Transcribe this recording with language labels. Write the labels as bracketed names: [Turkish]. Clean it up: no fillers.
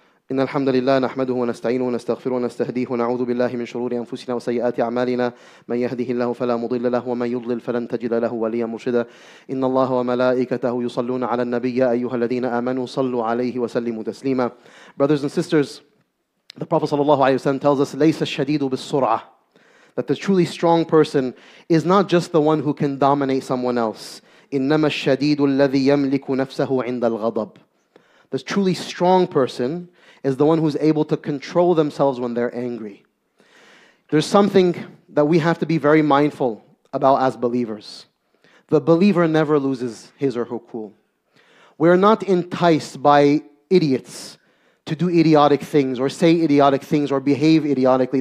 [Arabic] إن الحمد لله نحمده ونستعينه ونستغفره ونستهديه ونعوذ بالله من شرور أنفسنا وسيئات أعمالنا من يهده الله فلا مضل له ومن يضلل فلن تجد له وليا مرشدا إن الله وملائكته يصلون على النبي أيها الذين آمنوا صلوا عليه وسلموا تسليما. [English] Brothers and sisters, the Prophet صلى الله عليه وسلم tells us [Arabic] ليس الشديد بالسرعة, [English] that the truly strong person is not just the one who can dominate someone else. [Arabic] إنما الشديد الذي يملك نفسه عند الغضب. [English] The truly strong person is the one who's able to control themselves when they're angry. There's something that we have to be very mindful about as believers. The believer never loses his or her cool. We're not enticed by idiots to do idiotic things or say idiotic things or behave idiotically.